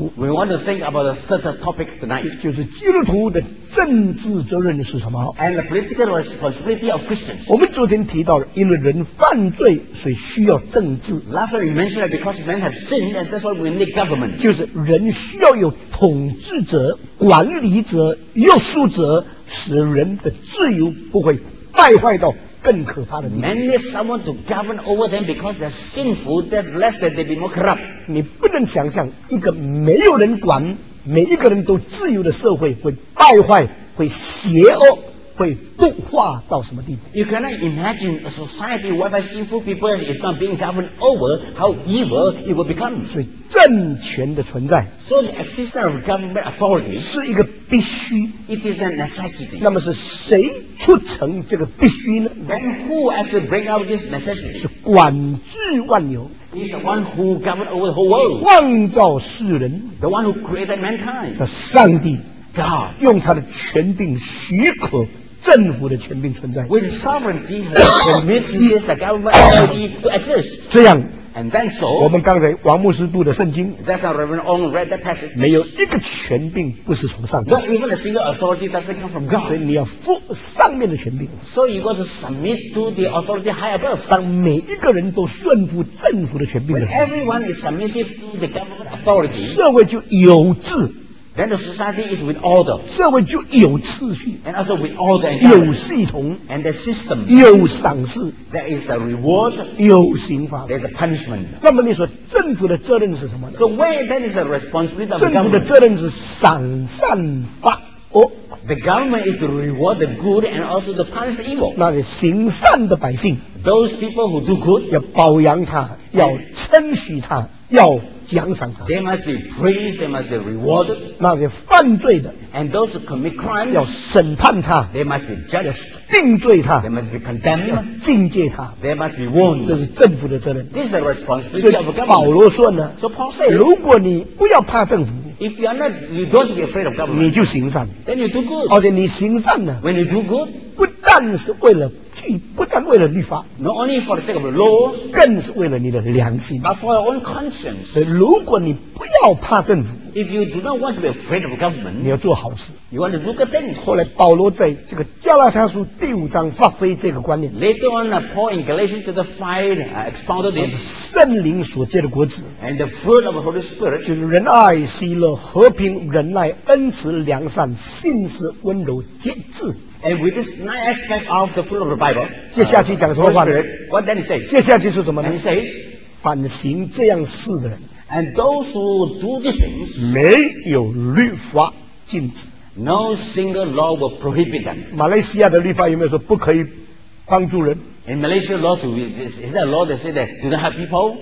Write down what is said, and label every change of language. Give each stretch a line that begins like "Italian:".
English: tonight. We want to think about the third topic tonight.
Chinese: 就是基督徒的政治责任是什么
English: ？And the political responsibility of Christians.
Chinese: 我们昨天提到了，因为人犯罪，所以需要政治。
English: Last time we mentioned that because men have sinned, and that's why we need government.
Chinese: 就是人需要有统治者、管理者、约束者，使人的自由不会败坏到。更可怕的
English: Men need someone to govern over them because they're sinful, that lest they be more corrupt.
Chinese: 你不能想象一个没有人管，每一个人都自由的社会会败坏，会邪恶，会腐化到什么地步。
English: You cannot imagine a society where sinful people is not being governed over, how evil it will become.
Chinese: 所以政权的存在
English: So the existence of government authority
Chinese: 是一个必须
English: It is a necessity.
Chinese: 那么是谁促成这个必须呢
English: Then who actually bring out this necessity?
Chinese: 是管制万有
English: He's the one who governed over the whole world.
Chinese: 创造世人
English: The one who created mankind.
Chinese: 的上帝
English: God,
Chinese: 用他的权柄许可政府的权柄存在
English: with sovereignty and permitting the government authority to exist
Chinese: 这样
English: and then so,
Chinese: 我们刚才王牧师读的圣经
English: that's how Reverend Ong read that passage
Chinese: 没有一个权柄不是从上帝
English: not even a single authority doesn't come from God
Chinese: 所以你要服上面的权柄
English: so you got to submit to the authority high above
Chinese: 当每一个人都顺服政府的权柄
English: when everyone is submissive to the government authority
Chinese: 社会就有秩序
English: Then the society is with order.
Chinese: 社会就有秩序
English: And also with order.
Chinese: 有系统
English: And the system.
Chinese: 有赏识
English: There is a reward.
Chinese: 有刑罚
English: There's a punishment.
Chinese: 那么你说政府的责任是什么
English: So where then is the responsibility of government?
Chinese: 政府的责任是赏善罚恶
English: The government is to reward the good and also to punish the evil.
Chinese: 那是行善的百姓
English: Those people who do good.
Chinese: 要保养他要称许他要奖赏他
English: They must be praised, they must be rewarded
Chinese: 那些犯罪的
English: And those who commit crimes
Chinese: 要审判他
English: They must be judged
Chinese: 定罪他
English: They must be condemned
Chinese: 要禁戒他
English: They must be warned
Chinese: 这是政府的责任
English: This is the responsibility of government
Chinese: 保罗说呢
English: So Paul says
Chinese: 如果你不要怕政府
English: If you are not, you don't be afraid of government
Chinese: 你就行善
English: Then you do good
Chinese: 而且你行善呢
English: When you do good
Chinese: 不但是为了不但为了律法
English: Not only for the sake of the law
Chinese: 更是为了你的良心
English: But for your own conscience
Chinese: 所以如果你不要怕政府
English: If you do not want to be afraid of government
Chinese: 你要做好事
English: You want to do good things
Chinese: 后来保罗在这个加拉太书第五章发挥这个观念
English: Later on Paul in Galatians to the fire expounded this
Chinese: 圣灵所结的果子
English: And the fruit of the Holy Spirit
Chinese: 就是仁爱喜乐和平仁爱恩慈良善信实温柔节制
English: And with this nine aspect of the fruit of the Bible,
Chinese: 接下去讲什么话呢
English: What then he says?
Chinese: 接下去是什么呢
English: And he says,
Chinese: 反行这样事的人
English: And those who do these things,
Chinese: 没有律法禁止
English: No single law will prohibit them.
Chinese: 马来西亚的律法有没有说不可以帮助人
English: In Malaysia law, is that a law that says that do not help people?